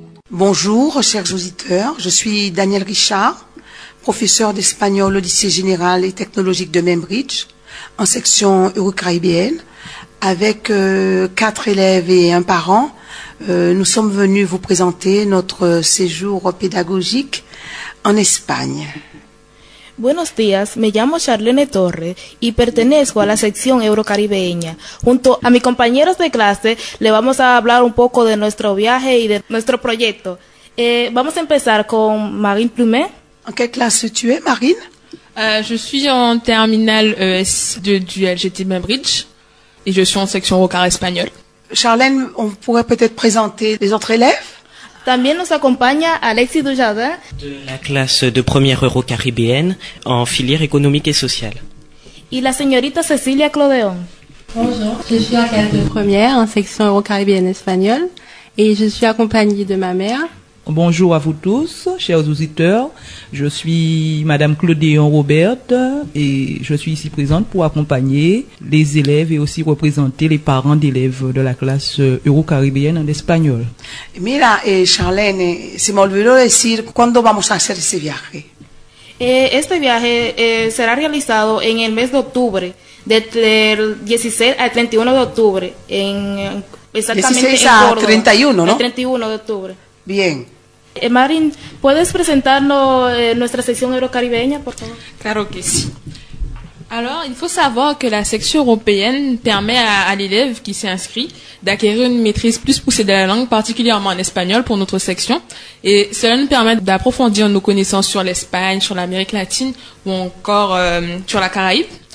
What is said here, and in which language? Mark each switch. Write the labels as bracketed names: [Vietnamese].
[French] Bonjour, chers auditeurs. Je suis Daniel Richard, professeur d'espagnol au lycée général et technologique de Membridge, en section eurocaribéenne. Avec 4 élèves et un parent, nous sommes venus vous présenter notre séjour pédagogique en Espagne. [Spanish] Buenos días, me llamo Charlene Torre y pertenezco a la sección eurocaribeña. Junto a mis compañeros de clase, le vamos a hablar un poco de nuestro viaje y de nuestro proyecto. Vamos a empezar con Marine Plumet. ¿En qué clase tu es, Marine? [French] Je suis en terminale ES du LGT Membridge et je suis en section eurocar espagnol. Charlene, on pourrait peut-être présenter les autres élèves? [Spanish] También nos acompaña Alexis Dujardin, de la clase [French] de première eurocaribéenne en filière économique et sociale. [Spanish] Y la señorita Cecilia Clodeon. [French] Bonjour, je suis en classe de première en section eurocaribéenne espagnole et je suis accompagnée de ma mère. Bonjour à vous tous, chers auditeurs. Je suis Madame Clodeon Robert et je suis ici présente pour accompagner les élèves et aussi représenter les parents d'élèves de la classe eurocaribéenne en espagnol. [Spanish] Mira, Charlene, se me olvidó decir cuándo vamos a hacer ese viaje. Este viaje será realizado en el mes de octubre, desde el 16 al 31 de octubre, exactamente 31, ¿no? El 31 de octubre. Bien. Marín, ¿puedes presentarnos nuestra sección eurocaribeña, por favor? Claro que sí. [French] Alors, il faut savoir que la section européenne permet à l'élève qui s'est inscrit d'acquérir une maîtrise plus poussée de la langue, particulièrement en espagnol pour notre section. Et cela nous permet d'approfondir nos connaissances sur l'Espagne, sur l'Amérique latine ou encore sur la Caraïbe.